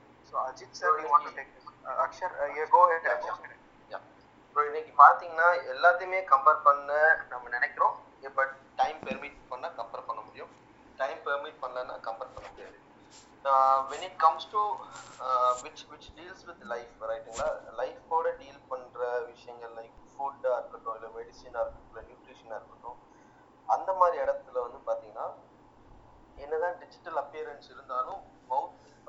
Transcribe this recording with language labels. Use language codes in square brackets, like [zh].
[en] So Ajith sir you want to take Akshar you go ahead Akshar. [ta] Bro இன்னைக்கு பாத்தீங்கன்னா எல்லாத்தையுமே compare பண்ண நம்ம நினைக்கிறோம், பட் டைம் பெர்மிட் பண்ணா கம்பேர் பண்ண முடியும், டைம் பெர்மிட் பண்ணலன்னா கம்பேர் பண்ண முடியாது. [en] When it comes to which deals with life, right? [ta] Life ஓட டீல் பண்ற விஷயங்கள் லைக் ஃபுட்டா இருக்கட்டும் இல்ல மெடிசினா இருக்கட்டும் நியூட்ரிஷனா இருக்கட்டும், அந்த மாதிரி இடத்துல வந்து பாத்தீங்கன்னா என்னதான் டிஜிட்டல் அப்பியரன்ஸ் இருந்தாலும் மவுத்